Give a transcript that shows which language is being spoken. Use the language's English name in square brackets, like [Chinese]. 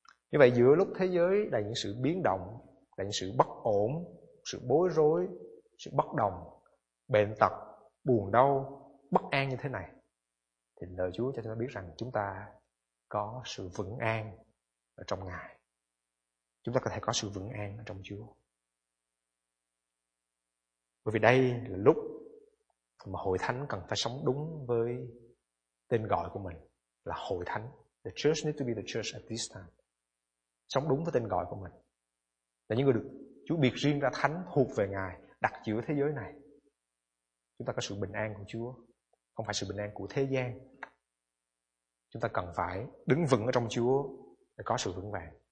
[Vietnamese] Như vậy giữa lúc thế giới đầy những sự biến động, đầy những sự bất ổn, sự bối rối, sự bất đồng, bệnh tật, buồn đau, bất an như thế này, thì lời Chúa cho chúng ta biết rằng chúng ta có sự vững an ở trong Ngài. Chúng ta có thể có sự vững an ở trong Chúa. Bởi vì đây là lúc mà hội thánh cần phải sống đúng với tên gọi của mình là hội thánh. [English] The church needs to be the church at this time. [Vietnamese] Sống đúng với tên gọi của mình, là những người được Chúa biệt riêng ra thánh, thuộc về Ngài, đặt giữa thế giới này. Chúng ta có sự bình an của Chúa, không phải sự bình an của thế gian. Chúng ta cần phải đứng vững ở trong Chúa để có sự vững vàng.